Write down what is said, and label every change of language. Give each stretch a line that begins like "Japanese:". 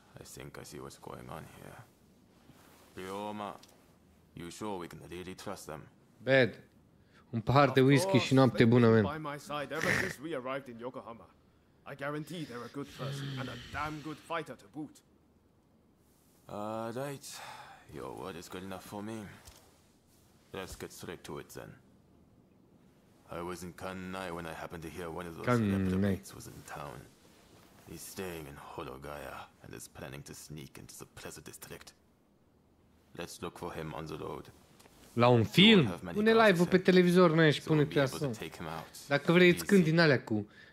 English: I think I see what's going on here. Ryoma, you sure we can really trust them? Bad.
Romanian: Un pahar de whisky și noapte bună, man.
English: By my side ever since we arrived in Yokohama. I guarantee they're a good person and a damn good fighter to boot. Right. Your word is good enough for me. Let's get straight to it then. I was in Kannai when I happened to hear one of those celebrities was in town. He's staying in Hologaya and is planning to sneak into the Pleasure District. Let's look for him on the road.
Romanian: La un film? Pune live-ul pe televizor, noi și pune pe asta. Dacă vrei, îți cânt din alea cu...